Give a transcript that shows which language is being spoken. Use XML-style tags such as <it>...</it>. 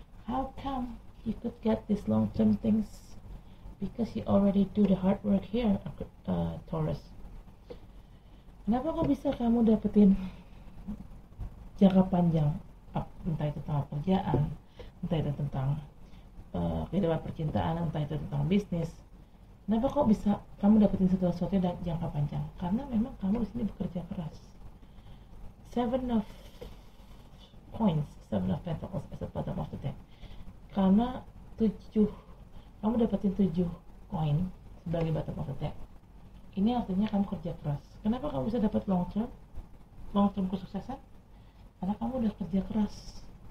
<en>How come you could get this long term things? Because you already do the hard work here, Taurus.</en> <id>Kenapa kok bisa kamu dapetin jangka panjang, entah itu tentang pekerjaan, entah itu tentang kehidupan percintaan, entah itu tentang bisnis. Kenapa kok bisa kamu dapetin segala sesuatu dan jangka panjang? Karena memang kamu di sini bekerja keras.</id> <en>Seven of coins, seven of pentacles as the bottom of the deck.</en> <id>Karena tujuh, kamu dapetin tujuh coin sebagai</id> <en>bottom of the deck.</en> <id>Ini artinya kamu kerja keras. Kenapa kamu bisa dapat long term? Long term kesuksesan? Karena kamu udah kerja keras.</id>